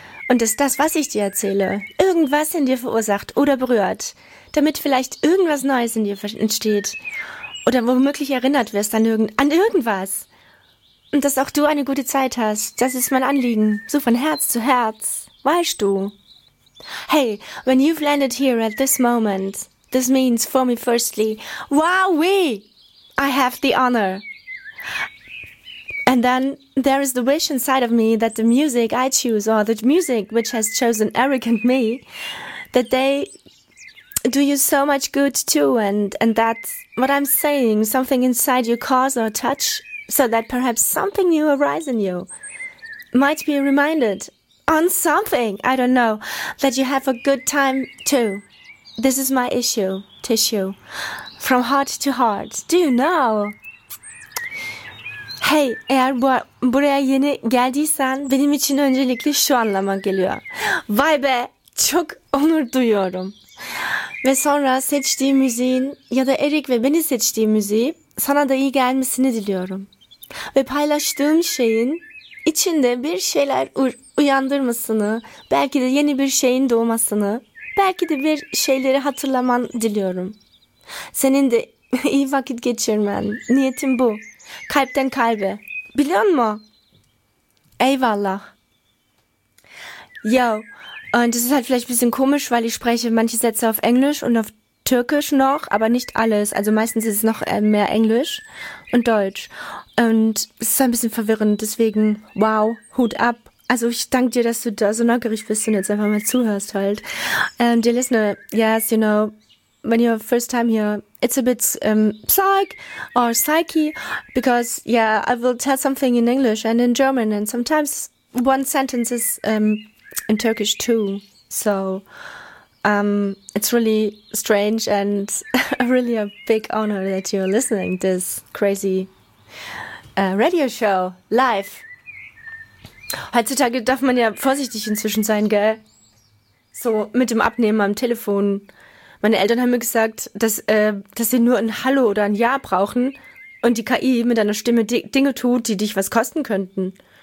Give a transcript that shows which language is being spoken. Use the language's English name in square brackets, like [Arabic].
[German] Und dass das, was ich dir erzähle, irgendwas in dir verursacht oder berührt, damit vielleicht irgendwas Neues in dir entsteht oder womöglich erinnert wirst an irgendwas. Und dass auch du eine gute Zeit hast, das ist mein Anliegen, so von Herz zu Herz. Weißt du? [English] Hey, when you've landed here at this moment, this means for me firstly, wowee, I have the honor. And then there is the wish inside of me that the music I choose, or the music which has chosen Eric and me, that they do you so much good too, and that what I'm saying, something inside you cause or touch, so that perhaps something new arise in you, might be reminded on something, I don't know, that you have a good time too. This is my tissue, from heart to heart. Do you know? [Turkish] Hey, eğer buraya yeni geldiysen, benim için öncelikle şu anlama geliyor. Vay be, çok onur duyuyorum. Ve sonra seçtiğim müziğin ya da Eric ve beni seçtiğim müziği sana da iyi gelmesini diliyorum. Ve paylaştığım şeyin İçinde bir şeyler uyandırmasını, belki de yeni bir şeyin doğmasını, belki de bir şeyleri hatırlaman diliyorum. Senin de iyi vakit geçirmen, niyetim bu. Kalpten kalbe. Biliyor musun? Eyvallah. [German] Yo, und es ist halt vielleicht ein bisschen komisch, weil ich spreche manche Sätze auf Englisch und auf Türkisch noch, aber nicht alles. Also meistens ist es noch mehr Englisch und Deutsch. Und es ist ein bisschen verwirrend, deswegen wow, Hut ab. Also ich danke dir, dass du da so neugierig bist und jetzt einfach mal zuhörst halt. [English] Dear listener, yes, you know, when you're first time here, it's a bit psych or psyche, because yeah, I will tell something in English and in German and sometimes one sentence is in Turkish too. So it's really strange and really a big honor that you're listening to this crazy radio show live. [German] Heutzutage darf man ja vorsichtig inzwischen sein, gell? So mit dem Abnehmen am Telefon. Meine Eltern haben mir gesagt, dass sie nur ein Hallo oder ein Ja brauchen und die KI mit deiner Stimme Dinge tut, die dich was kosten könnten.